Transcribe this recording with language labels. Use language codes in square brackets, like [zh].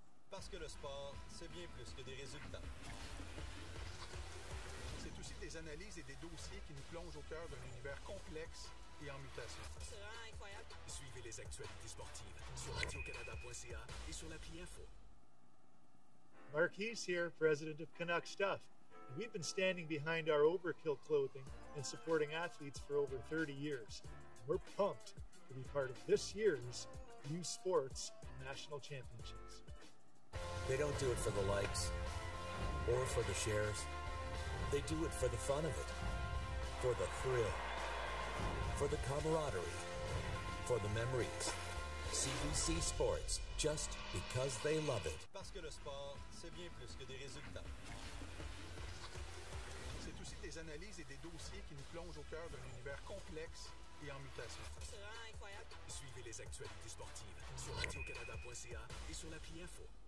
[fr] Parce que le sport, c'est bien plus que des résultats. C'est aussi des analyses et des dossiers qui nous plongent au cœur d'un univers complexe et en mutation. C'est vraiment incroyable. Suivez les actualités sportives sur radiocanada.ca et sur l'appli Info. [en] Marquise here, president of Canuck Stuff. We've been standing behind our Overkill clothing and supporting athletes for over 30 years. We're pumped to be part of this year's U Sports National Championships. They don't do it for the likes or for the shares. They do it for the fun of it, for the thrill, for the camaraderie, for the memories. CBC Sports, just because they love it. [fr] Parce que le sport, c'est bien plus que des résultats. C'est aussi des analyses et des dossiers qui nous plongent au cœur d'un univers complexe et en mutation. C'est vraiment incroyable. Suivez les actualités sportives sur radiocanada.ca et sur l'appli Info.